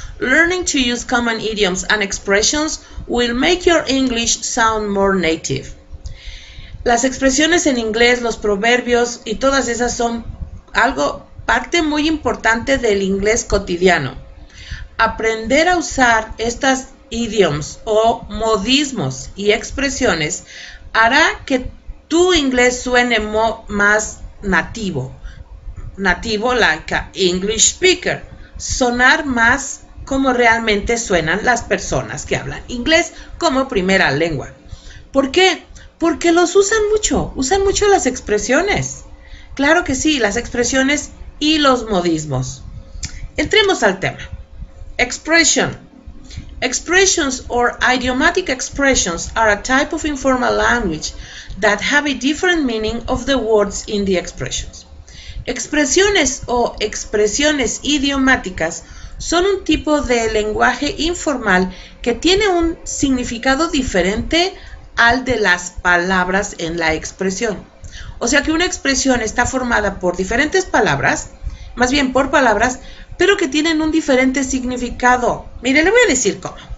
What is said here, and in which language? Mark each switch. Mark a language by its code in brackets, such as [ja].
[en] Learning to use common idioms and expressions will make your English sound more native. [es] Las expresiones en inglés, los proverbios y todas esas son algo, parte muy importante del inglés cotidiano. Aprender a usar estas idioms o modismos y expresiones hará que tu inglés suene más nativo, nativo [en] like a English speaker, [es] sonar más como realmente suenan las personas que hablan inglés como primera lengua. ¿Por qué? Porque los usan mucho las expresiones. Claro que sí, las expresiones y los modismos. Entremos al tema. Expression. [en] Expressions or idiomatic expressions are a type of informal language that have a different meaning of the words in the expressions. [es] Expresiones o expresiones idiomáticas son un tipo de lenguaje informal que tiene un significado diferente al de las palabras en la expresión. O sea que una expresión está formada por diferentes palabras, más bien por palabras, pero que tienen un diferente significado. Mire, le voy a decir cómo.